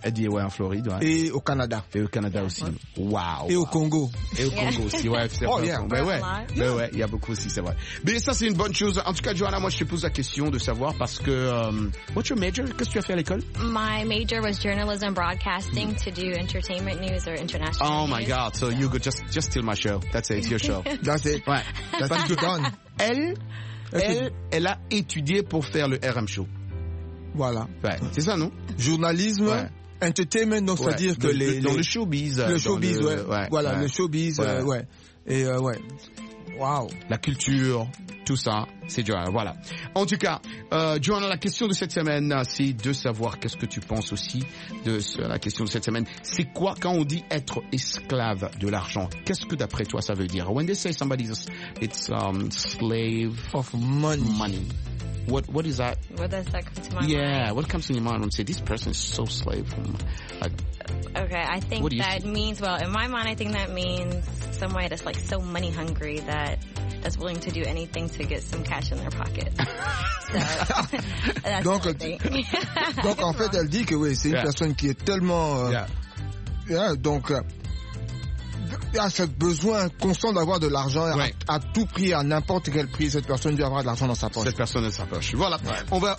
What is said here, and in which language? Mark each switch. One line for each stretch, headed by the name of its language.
French: en Floride, ouais. Et au Canada. Et au Canada aussi. Wow. Et au Congo. Et au Congo aussi, ouais. C'est vrai. Mais ouais, il y a beaucoup aussi, c'est vrai. Mais ça, c'est une bonne chose. En tout cas, Johanna, moi, je te pose la question de savoir parce que...
English: what's your major?
French: Qu'est-ce que tu as fait à l'école?
English: My major was journalism broadcasting to do entertainment news or international news. Oh my God, so you could just steal my show. That's it, it's your show. That's it.
French: Ouais.
English: That's what you've done.
French: Elle a étudié pour faire le RM Show. Voilà. Ouais, c'est ça, non? Journalisme, ouais. Entertainment, donc c'est-à-dire que dans le showbiz. Le showbiz, ouais. Voilà, ouais. Le showbiz, ouais. Et ouais. Wow. La culture, tout ça, c'est Johanna. Voilà. En tout cas, Johanna, la question de cette semaine, c'est de savoir qu'est-ce que tu penses aussi de la question de cette semaine. C'est quoi quand on dit être esclave de l'argent? Qu'est-ce que d'après toi ça veut dire?
English: When they say somebody is slave of money. What is that? What does that come to my mind? Yeah, what comes to your mind when you say this person is so slave? Okay, I think that means, well, in my mind, I think that means somebody that's like so money hungry that's willing to do anything to get some cash in their pocket. So,
French: donc en fait, elle dit que oui, c'est une personne qui est tellement. À ce besoin constant d'avoir de l'argent, à tout prix, à n'importe quel prix, cette personne doit avoir de l'argent dans sa poche. Cette personne dans sa poche. Voilà. Ouais.